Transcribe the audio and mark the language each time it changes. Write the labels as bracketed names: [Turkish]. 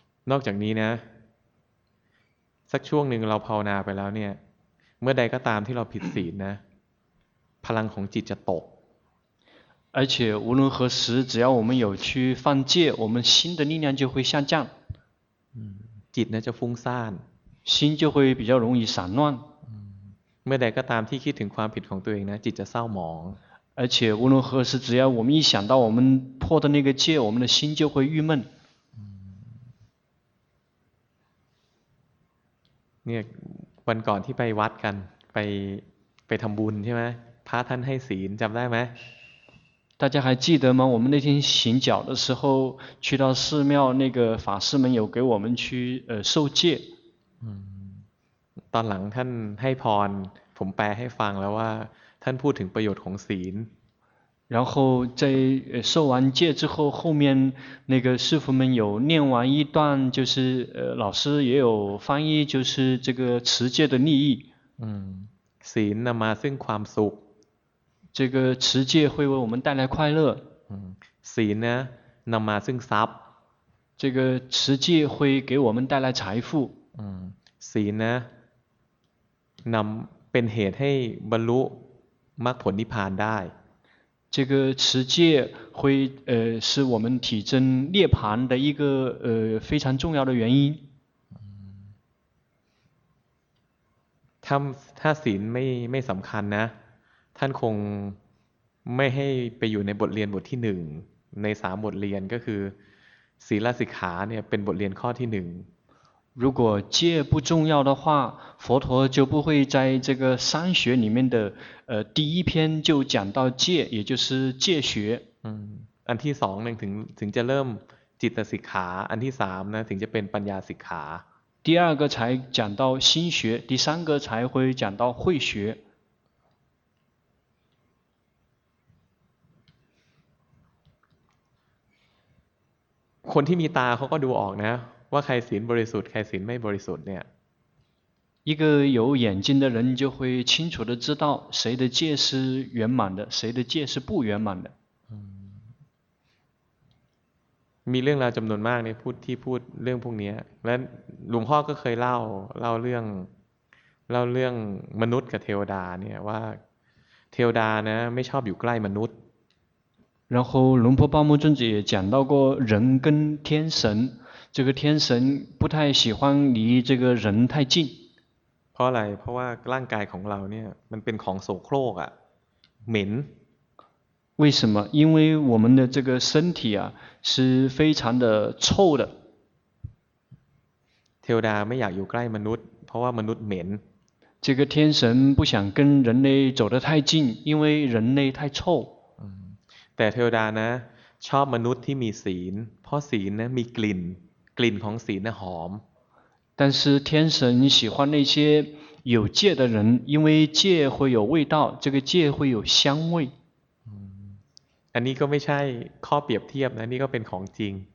[Thai] นอกจากนี้นะสักช่วงหนึ่งเราภาวนาไปแล้วเนี่ยเมื่อใดก็ตามที่เราผิดศีลนะพลังของจิตจะตก [Chinese] 而且无论何时只要我们有去犯戒我们心的力量就会下降 [Thai] จิตนะจะฟุ้งซ่าน [Chinese] 心就会比较容易散乱 [Thai] เมื่อใดก็ตามที่คิดถึงความผิดของตัวเองนะจิตจะเศร้าหมอง [Chinese] 而且无论何时只要我们一想到我们破的那个戒我们的心就会郁闷 [Thai] เนี่ยวันก่อนที่ไปวัดกันไปทำบุญใช่ไหมพระท่านให้ศีลจำได้ไหม [Chinese] 大家还记得吗？我们那天行脚的时候，去到寺庙，那个法师们有给我们去受戒。 [Thai] ตอนหลังท่านให้พรผมแปลให้ฟังแล้วว่าท่านพูดถึงประโยชน์ของศีล。 [Chinese] 然后在受完戒之后，后面那个师父们有念完一段，就是老师也有翻译，就是这个持戒的利益。 [Thai] ศีลนำมาซึ่งความสุข。 [Chinese] 这个持戒会为我们带来快乐。 [Thai] ศีลนะนำมาซึ่งทรัพย์ [Chinese] 这个持戒会给我们带来财富。 [Thai] ศีลนะนำเป็นเหตุให้บรรลุมรรคผลนิพพานได้ [Chinese] 这个持戒会是我们体证涅槃的一个非常重要的原因。 [Thai] ถ้าศีลไม่สำคัญนะท่านคงไม่ให้ไปอยู่ในบทเรียนบทที่หนึ่ง ในสามบทเรียนก็คือศีลสิกขาเนี่ยเป็นบทเรียนข้อที่หนึ่ง [Chinese] 如果戒不重要的话佛陀就不会在这个三学里面的第一篇就讲到戒也就是戒学 [Thai] อันที่สองถึงจะเริ่มจิตสิกขาอันที่สามนะถึงจะเป็นปัญญาสิกขา [Chinese] 第二个才讲到心学第三个才会讲到慧学 [Thai] คนที่มีตาเขาก็ดูออกนะว่าใครศีลบริสุทธิ์ใครศีลไม่บริสุทธิ์เนี่ย [Chinese] 一个有眼睛的人就会清楚的知道谁的戒是圆满的谁的戒是不圆满的 [Thai] มีเรื่องราวจำนวนมากเนี่ยพูดเรื่องพวกนี้และหลวงพ่อก็เคยเล่าเรื่องมนุษย์กับเทวดาเนี่ยว่าเทวดานะไม่ชอบอยู่ใกล้มนุษย์ [Chinese] 然后龙婆巴木尊者也讲到过人跟天神这个天神不太喜欢离这个人太近 [Thai] เพราะอะไรเพราะว่าร่างกายของเราเนี่ยมันเป็นของโสโครกอะเหม็น [Chinese] 为什么因为我们的这个身体啊是非常的臭的 [Thai] เทวดาไม่อยากอยู่ใกล้มนุษย์เพราะว่ามนุษย์เหม็น [Chinese] 这个天神不想跟人类走得太近因为人类太臭 [Thai] แต่เทวดานะชอบมนุษย์ที่มีศีลเพราะศีลนะมีกลิ่นกลิ่นของศีลนะหอม [Chinese] 但是天神喜欢那些有戒的人因为戒会有味道这个戒会有香味 [Thai] อันนี้ก็ไม่ใช่ข้อเปรียบเทียบนะนี่ก็เป็นของจริง